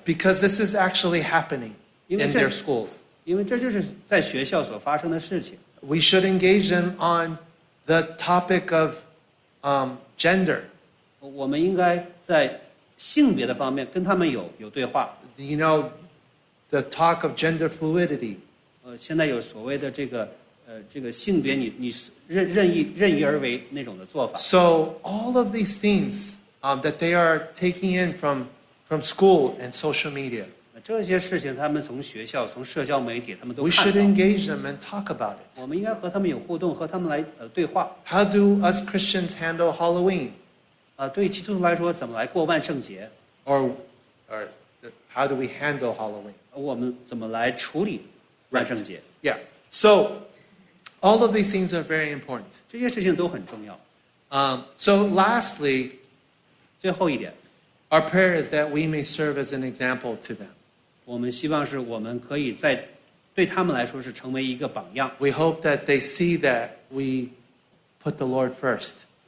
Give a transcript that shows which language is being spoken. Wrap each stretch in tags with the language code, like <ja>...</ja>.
<en>Because this is actually happening in their schools.</en> <zh>因为这就是在学校所发生的事情。</zh> <en>We should engage them on the topic of gender.</en> <zh>我们应该在性别的方面跟他们有对话。</zh> <en>You know, the talk of gender fluidity.</en> <zh>现在有所谓的这个性别，你任意而为那种的做法。</zh> <en>So all of these things that they are taking in from school and social media.</en> <zh>这些事情他们从学校、从社交媒体，他们都。</zh> <en>We should engage them and talk about it.</en> <zh>我们应该和他们有互动，和他们来对话。</zh> <en>How do us Christians handle Halloween?</en> <zh>对基督徒来说，怎么来过万圣节？</zh> <en>Or how do we handle Halloween?</en> <zh>我们怎么来处理万圣节？</zh> <en>Right. Yeah. So all of these things are very important.</en> <zh>这些事情都很重要。</zh> <en>So lastly,</en> <zh>最后一点,</zh> <en>our prayer is that we may serve as an example to them.</en> <zh>我们希望是我们可以在对他们来说是成为一个榜样。</zh> <en>We hope that they see that we put the Lord first.</en>